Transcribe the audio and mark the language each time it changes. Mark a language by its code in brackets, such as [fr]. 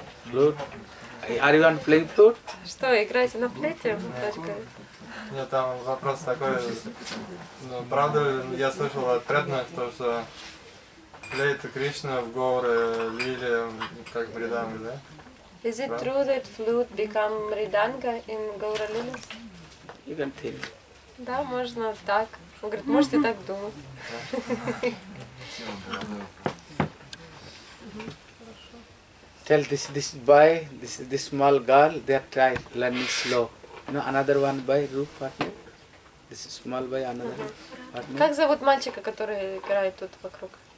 [en] Flute? Are you on playing flute? [ru] Что, играете на флейте? Мне там вопрос такой, ну, правда, я слышал от преданных, то, что флейта Кришна в горы лили как мриданга, да? [en] Is it true that flute become mridanga in Gauralila? You can think. [ru] Да, можно так. Он говорит, можете так думать. [en] Tell this boy, this small girl, they are trying learning slow. No, another one by group partner. This is small boy, another partner. [ru] Как зовут мальчика, который играет тут вокруг?